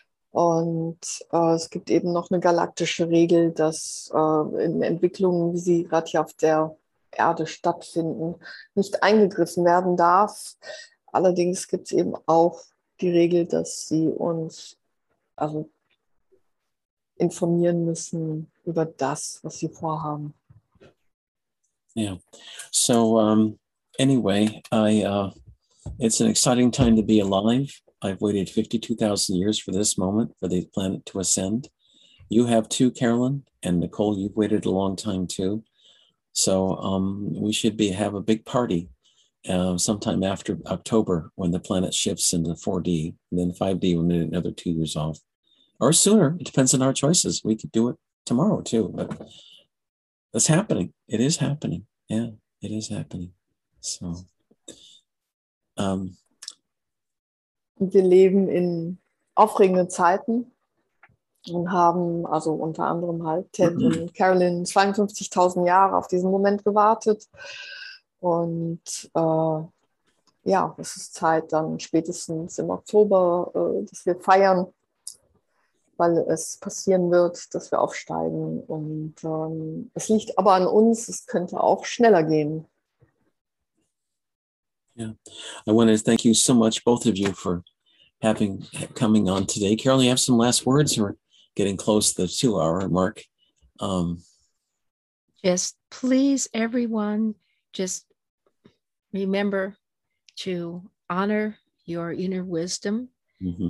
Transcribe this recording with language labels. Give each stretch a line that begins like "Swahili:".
German: Und es gibt eben noch eine galaktische Regel, dass in Entwicklungen, wie sie gerade hier auf der Erde stattfinden, nicht eingegriffen werden darf. Allerdings gibt es eben auch die Regel, dass sie uns also informieren müssen über das, was sie vorhaben.
English: Yeah. So anyway, it's an exciting time to be alive. I've waited 52,000 years for this moment, for the planet to ascend. You have too, Carolyn, and Nicole, you've waited a long time too. So we should have a big party. Sometime after October when the planet shifts into 4D, and then 5D will need another 2 years off. Or sooner. It depends on our choices. We could do it tomorrow too. But it's happening. It is happening. Yeah, it is happening. So,
German: wir leben in aufregenden Zeiten und haben also unter anderem halt Ted und Carolyn 52.000 Jahre auf diesen Moment gewartet. Und ja, es ist Zeit dann spätestens im Oktober, dass wir feiern, weil es passieren wird, dass wir aufsteigen. Und es liegt aber an uns, es könnte auch schneller gehen.
English: Yeah, I want to thank you so much, both of you, for coming on today. Carolyn, you have some last words? We're getting close to the 2-hour mark. Just please, everyone, just remember to honor your inner wisdom, mm-hmm.